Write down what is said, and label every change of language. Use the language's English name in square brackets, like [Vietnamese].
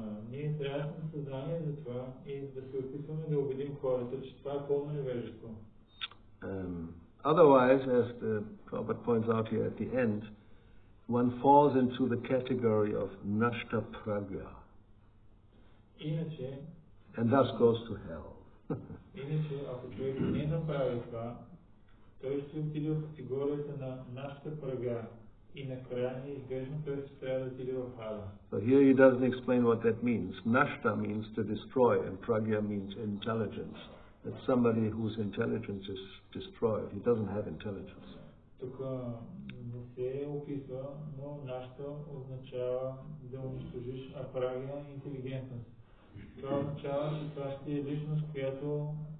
[Bulgarian] Ние трябва да сме съзнание за това и да се опитваме да убедим хората, че това е пълно невежество. [English] Otherwise, as the Prabhupada points out here at the end, one falls into the category of nashta pragya. [Bulgarian] Иначе, [English] and thus goes to hell. [Bulgarian] Иначе, ако човек не направи това, той ще отиде в категорията на нашата прага. И накрая изглежда, той ще трябва да отиде в ада. [English] So here he doesn't explain what that means. Nashta means to destroy, and pragya means intelligence. That somebody whose intelligence is destroyed, he doesn't have intelligence. [Bulgarian] Тук не се описва, но нашта означава да унищожиш, а прагя е интелигентност. Това означава, че това ще е личност, която